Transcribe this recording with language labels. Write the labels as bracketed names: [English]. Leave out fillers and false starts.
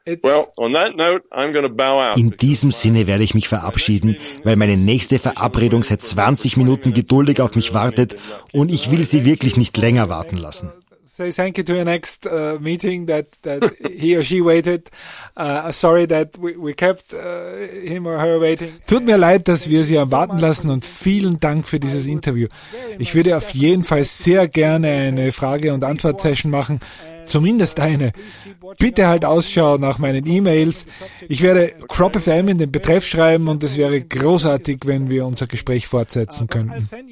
[English] Well, on that note, I'm going to bow out. [German] In diesem Sinne werde ich mich verabschieden, weil meine nächste Verabredung seit 20 Minuten geduldig auf mich wartet und ich will sie wirklich nicht länger warten lassen. [English] Say thank you to your next meeting that he or she waited. Sorry that we kept him or her waiting. [German] Tut mir leid, dass wir sie warten lassen und vielen Dank für dieses Interview. Ich würde auf jeden Fall sehr gerne eine Frage- und Antwort-Session machen. Zumindest eine. Bitte halt Ausschau nach meinen E-Mails. Ich werde CropFM in den Betreff schreiben und es wäre großartig, wenn wir unser Gespräch fortsetzen könnten.